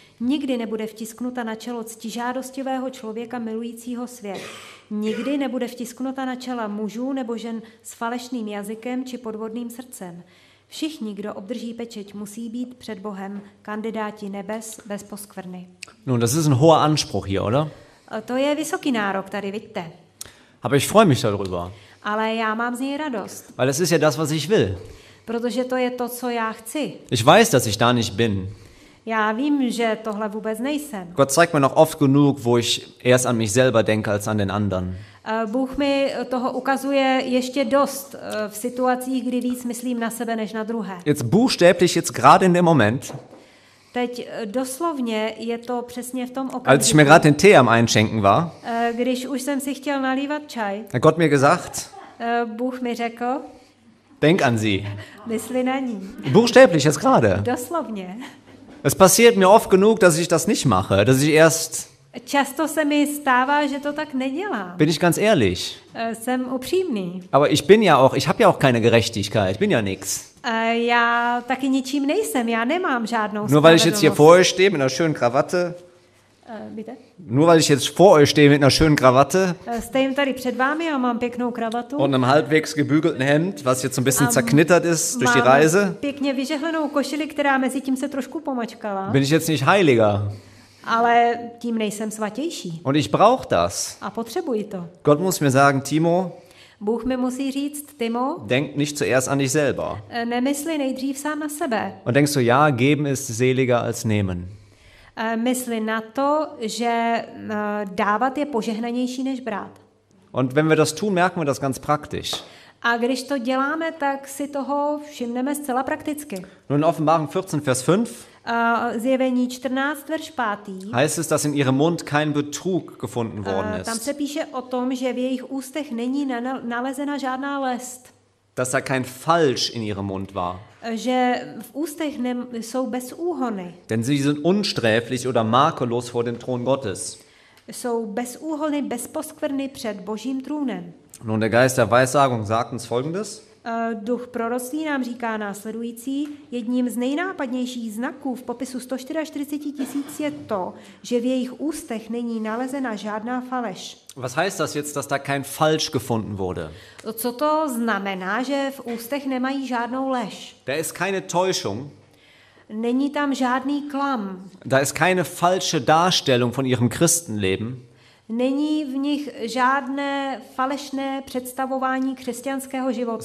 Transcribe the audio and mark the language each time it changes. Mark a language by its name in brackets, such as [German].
[Czech] Nikdy nebude vtisknuta na čelo ctižádostivého člověka milujícího svět. Nikdy nebude vtisknuta na čela mužů nebo žen s falešným jazykem či podvodným srdcem. Všichni, kdo obdrží pečeť, musí být před Bohem kandidáti nebes bez poskvrny. [German] Nun, das ist ein hoher Anspruch hier, oder? [Czech] To je vysoký nárok tady, vidíte. [German] Aber ich freue mich darüber. [Czech] Ale já mám z něj radost. [German] Weil das ist ja das, was ich will. [Czech] Protože to je to, co já chci. [German] Ich weiß, dass ich da nicht bin. [Czech] Já vím, že tohle vůbec nejsem. [German] Gott zeigt mir noch oft genug, wo ich erst an mich selber denke als an den anderen. [Czech] Bůh mi toho ukazuje ještě dost v situacích, kdy víc myslím na sebe než na druhé. [German] Jetzt buchstäblich jetzt gerade in dem Moment. [Czech] Teď doslovně je to přesně v tom okamžiku. [German] Als ich mir gerade den Tee am Einschenken war. [Czech] Když už jsem si chtěl nalívat čaj. [German] Hat Gott mir gesagt. [Czech] Bůh mi řekl. [German] Denk an sie. [Czech] Myslí na ní. [German] Buchstäblich jetzt gerade. [Czech] Doslovně. [German] Es passiert mir oft genug, dass ich das nicht mache, dass ich erst. [Czech] Často se mi stává, že to tak nedělám. [German] Bin ich ganz ehrlich? [Czech] Jsem upřímný. [German] Aber ich bin ja auch, ich habe ja auch keine Gerechtigkeit. Ich bin ja nix. [Czech] Já taky ničím nejsem. Já nemám žádnou. [German] Nur weil ich jetzt hier vor euch stehe mit einer schönen Krawatte. Bitte? Nur weil ich jetzt vor euch stehe mit einer schönen Krawatte. [Czech] Stehím tady před vámi a mám pěknou kravatu. [German] Und einem halbwegs gebügelten Hemd, was jetzt ein bisschen zerknittert ist durch die Reise. [Czech] Pěkně vyžehlenou košili, která mezi tím se trošku pomačkala. [German] Bin ich jetzt nicht heiliger? [Czech] Ale tím nejsem svatější. [German] Und ich brauch das. [Czech] A potřebuji to. [German] Gott muss mir sagen, Timo. [Czech] Bůh mi musí říct, Timo. [German] Denk nicht zuerst an dich selber. [Czech] Nemysli nejdřív sám na sebe. [German] Und denkst du, ja, geben ist seliger als nehmen. [Czech] Mysli na to, že dávat je požehnanější než brát. [German] Und wenn wir das tun, merken wir das ganz praktisch. [Czech] A když to děláme, tak si toho všimneme zcela prakticky. [German] Nun, Offenbarung 14, Vers 5. [Czech] Zjevení 14, verš 5. [German] Heißt es, dass in ihrem Mund kein Betrug gefunden worden ist. [Czech] Tam se píše o tom, že v jejich ústech není nalezena žádná lest. [German] Dass da kein Falsch in ihrem Mund war. [Czech] Že v ústech jsou bez úhony. [German] Denn sie sind unsträflich oder makellos vor dem Thron Gottes. [Czech] Jsou bez úhony, bez poskvrny před Božím trůnem. [German] Nun, der Geist der Weissagung sagt uns Folgendes. [Czech] Duch proroctví nám říká následující. Jedním z nejnápadnějších znaků v popisu 144 tisíc je to, že v jejich ústech není nalezena žádná faleš. [German] Was heißt das jetzt, dass da kein falsch gefunden wurde? [Czech] Co to znamená, že v ústech nemají žádnou lež? [German] Da ist keine Täuschung. [Czech] Není tam žádný klam. [German] Da ist keine falsche Darstellung von ihrem Christenleben. [Czech] Není v nich žádné falešné představování křesťanského života.